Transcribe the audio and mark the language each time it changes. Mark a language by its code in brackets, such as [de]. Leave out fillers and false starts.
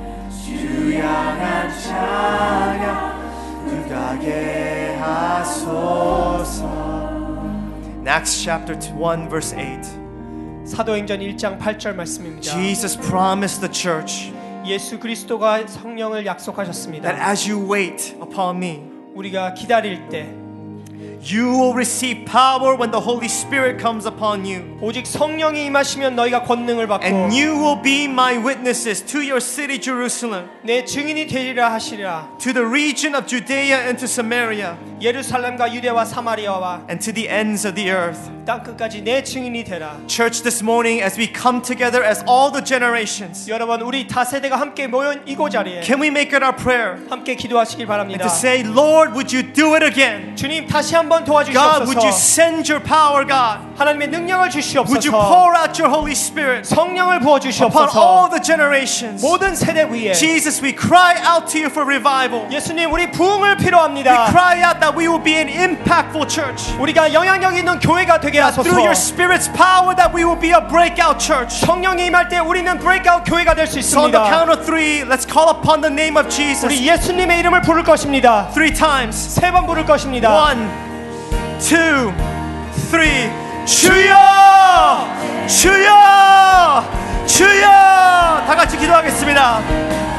[ko] 주 향한 찬양 불타게 하소서. [en] Acts chapter 1 verse 8. [ko] 사도행전 1장 8절 말씀입니다. [en] Jesus promised the church. [ko] 예수 그리스도가 성령을 약속하셨습니다. [en] That as you wait upon me. [ko] 우리가 기다릴 때 [en] You will receive power when the Holy Spirit comes upon you. [ko] 오직 성령이 임하시면 너희가 권능을 받고 [en] And you will be my witnesses to your city Jerusalem. [ko] 내 증인이 되리라 하시리라. [en] To the region of Judea and to Samaria. [ko] 예루살렘과 유대와 사마리아와 [en] And to the ends of the earth. [ko] 땅 끝까지 내 증인이 되라. [en] Church this morning as we come together as all the generations. [ko] 여러분 우리 다세대가 함께 모여 이곳 자리에 [en] Can we make it our prayer? [ko] 함께 기도하시길 바랍니다. [en] And to say Lord would you do it again? [ko] 주님 다시 한번 도와주시옵소서. [en] God would you send your power God? [ko] 하나님의 능력을 주시옵소서. [en] Would you pour out your holy spirit? [ko] 성령을 부어 주시옵소서. [en] Upon all the generations. [ko] 모든 세대 위에 [en] Jesus we cry out to you for revival. [ko] 예수님 우리 부흥을 필요합니다. [en] We cry out that we will be an impactful church. [ko] 우리가 영향력 있는 교회가 되게 [en] That through your spirit's power that we will be a breakout church. [ko] 성령이 임할 때 우리는 breakout 교회가 될 수 있습니다. [en] So on the count of three, let's call upon the name of Jesus. [ko] 우리 예수님의 이름을 부를 것입니다. [en] Three times. [ko] 세 번 부를 것입니다. [en] One, two, three. [ko] 주여! 주여! 주여! 다 같이 기도하겠습니다.